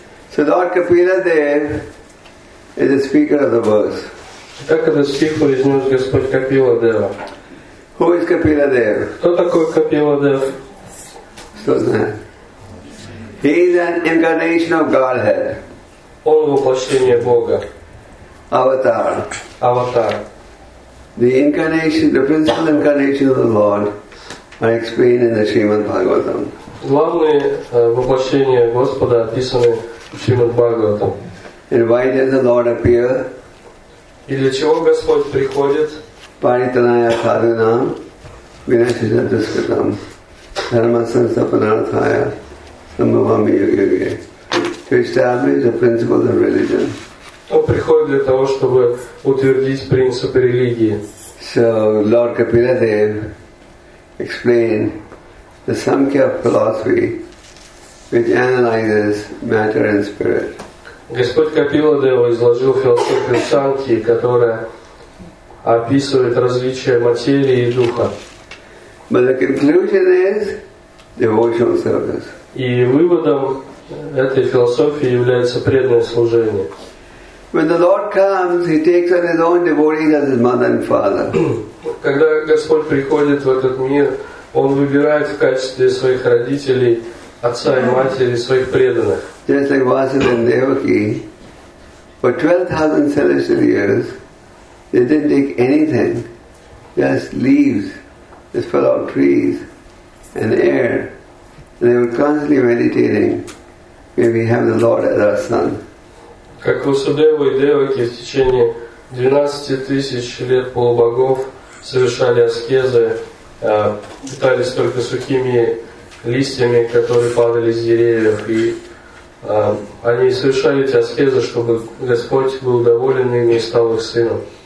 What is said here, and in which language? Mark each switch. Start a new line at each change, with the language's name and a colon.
English: So Lord Kapila Dev is the speaker of the verse.
Russian: Так этот стих произнес Господь Капила Дева.
English: Who is Kapila Dev?
Russian: Кто такой Капила Дев? Что знает?
English: He is an incarnation of Godhead.
Russian: Он воплощение Бога.
English: Avatar.
Russian: Avatar.
English: The incarnation, the principal incarnation of the Lord, are explained in the Srimad Bhagavatam.
Russian: Главные воплощения Господа описаны в Шримад Бхагаватам.
English: And why does the Lord appear?
Russian: И для чего Господь приходит?
Sanskrit: Паританая садунам, винасиджа дускатам, дармасансапанартхая, самбхами йоги-йоги.
English: To establish the principles of religion.
Russian: Он приходит для того, чтобы утвердить принципы религии.
English: So Lord Kapila Dev explained the Samkhya philosophy, which analyzes matter and spirit.
Russian: Господь Капила Дева изложил философию Санкхи, которая описывает различия материи и духа.
English: But the conclusion is devotional service.
Russian: И выводом этой философии является преданное служение.
English: When the Lord comes, he takes on his own devotees as his mother and father.
Russian: Когда Господь приходит в этот мир, Он выбирает в качестве своих родителей отца и матери своих преданных.
English: Just like Vasudeva and Devaki, for 12,000 celestial years, they didn't take anything, just leaves, just fell out trees and air. And they were constantly meditating, may we have the Lord as our son.
Russian: Как Васудева и Деваки в течение 12 тысяч лет полубогов совершали аскезы, питались только сухими листьями, которые падали с деревьев, и они совершали эти аскезы, чтобы Господь был доволен ими и стал их сыном.